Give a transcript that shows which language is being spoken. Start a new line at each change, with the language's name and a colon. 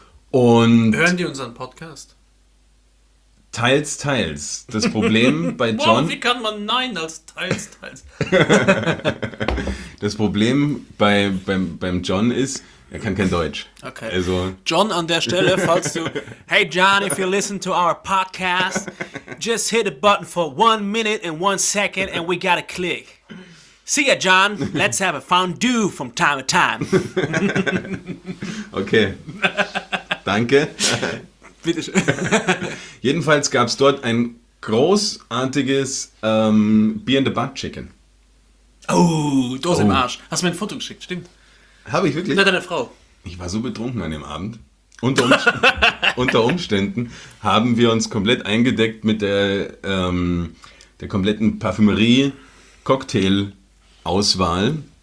German: Und hören die unseren Podcast? Teils, teils. Das Problem bei John... Wow, wie kann man Nein als teils, teils? Das Problem beim John ist, er kann kein Deutsch. Okay. Also, John, an der Stelle, falls du...
English: Hey John, if you listen to our podcast, just hit the button for 1 minute and 1 second and we got a click. See ya, John. Let's have a fondue from time to time.
German: Okay. Danke. Bitteschön. Jedenfalls gab es dort ein großartiges
English: Beer in the Butt Chicken.
German: Oh, Dose im Arsch. Hast du mir ein Foto geschickt, stimmt. Habe ich wirklich? Na, deine Frau. Ich war so betrunken an dem Abend. Unter Umständen haben wir uns komplett eingedeckt mit der kompletten Parfümerie-Cocktail-Auswahl.